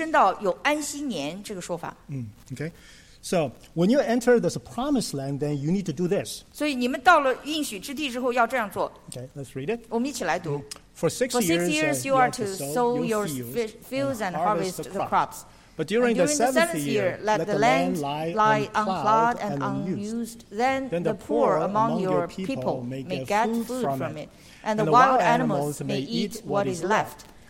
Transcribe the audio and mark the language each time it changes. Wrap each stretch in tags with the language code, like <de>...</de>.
<zh>这个安息日，神又把它给延伸到有安息年这个说法。</zh> <en>Okay. So when you enter this promised land, then you need to do this.</en> <zh>所以你们到了应许之地之后要这样做。</zh> <en>Okay, let's read it.</en> <zh>我们一起来读。</zh> <en>For six years, you are to sow your fields and harvest the crops. But during the seventh year, let the land lie unplowed and unused. Then the poor among your people may get food from it, and the wild animals may eat what is left.</en>